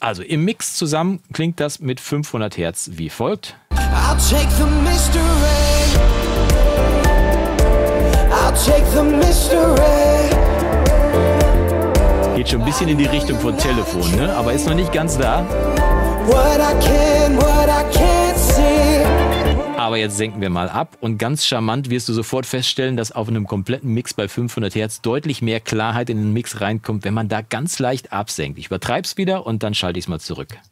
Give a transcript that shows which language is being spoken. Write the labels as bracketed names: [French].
[German] Also im Mix zusammen klingt das mit 500 Hertz wie folgt. [English] I'll take the mystery. I'll take the mystery. [German] Geht schon ein bisschen in die Richtung von Telefon, ne? Aber ist noch nicht ganz da. [English] What I can, what I can't see. [German] Aber jetzt senken wir mal ab und ganz charmant wirst du sofort feststellen, dass auf einem kompletten Mix bei 500 Hertz deutlich mehr Klarheit in den Mix reinkommt, wenn man da ganz leicht absenkt. Ich übertreib's wieder und dann schalte ich's mal zurück.